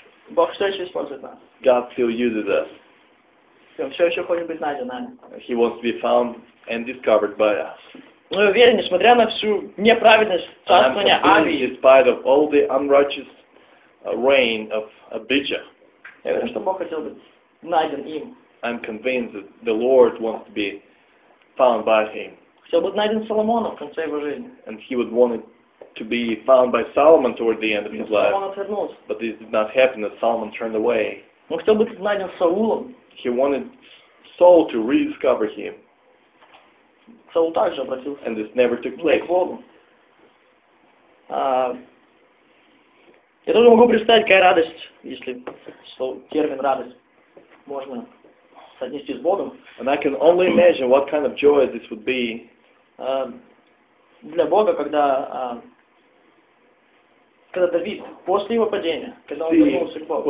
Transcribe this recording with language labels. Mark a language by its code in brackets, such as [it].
[ru] Бог все еще использует нас. [en] God still uses us. [ru] Он все еще хочет быть найден нами. [en] He wants to be found and discovered by us. [ru] Но я уверен, несмотря на всю неправедность царствования Абии. [en] In spite of all the unrighteous reign of Abijah. [ru] Я уверен, что Бог хотел быть найден им. [en] I'm convinced that the Lord wants to be found by him. [ru] Хотел быть найден Соломоном в конце его жизни. [en] And he would want to be found by Solomon toward the end of his life. [ru] Соломон отвернулся. [en] But this did not happen as Solomon turned away. [ru] Он хотел быть найден Саулом. [en] He wanted Saul to rediscover him. [ru] Саул также обратился. [en] And this never took place. [ru] К Богу. Я тоже могу представить, какая радость, если термин радость можно соотнести с Богом. [en] And I can only imagine what kind of joy this would be [ru] для Бога, когда Давид после его падения, когда он вернулся к Богу.